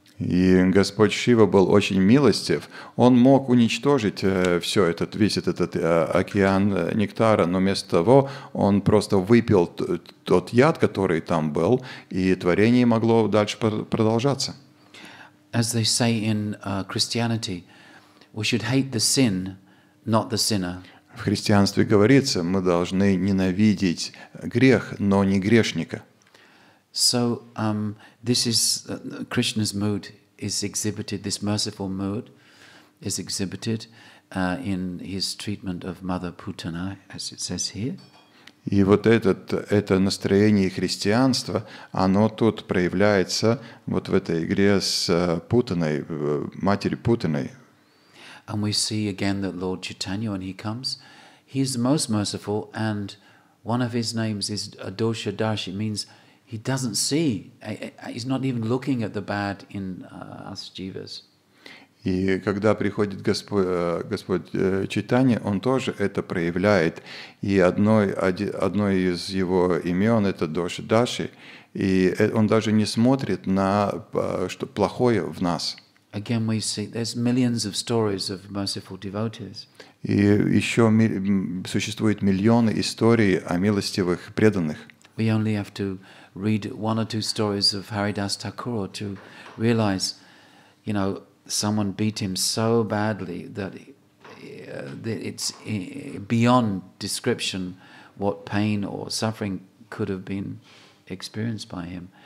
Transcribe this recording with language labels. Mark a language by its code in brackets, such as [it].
[ru] И Господь Шива был очень милостив. Он мог уничтожить все этот, весь этот океан нектара, но вместо того он просто выпил тот яд, который там был, и творение могло дальше продолжаться. [en] As they say in Christianity, we should hate the sin, not the sinner. [ru] В христианстве говорится, мы должны ненавидеть грех, но не грешника. [en] So this is Krishna's mood is exhibited. This merciful mood is exhibited in his treatment of Mother Putana, as it says here. [ru] И вот это настроение христианства, оно тут проявляется вот в этой игре с Путаной, матерью Путаной. [en] And we see again that Lord Chaitanya, when he comes, he is the most merciful, and one of his names is Adosha Dash. It means he doesn't see. He's not even looking at the bad in us jivas. [ru] И когда приходит Господь Чайтанья, он тоже это проявляет. И одно из его имен это Доша Даши, и он даже не смотрит на что плохое в нас. [en] Again, we see there's millions of stories of merciful devotees. [ru] И еще существует миллионы историй о милостивых преданных. [en] We only have to read one or two stories of Haridas Thakur to realize, you know, someone beat him so badly that it's beyond description what pain or suffering could have been experienced by him.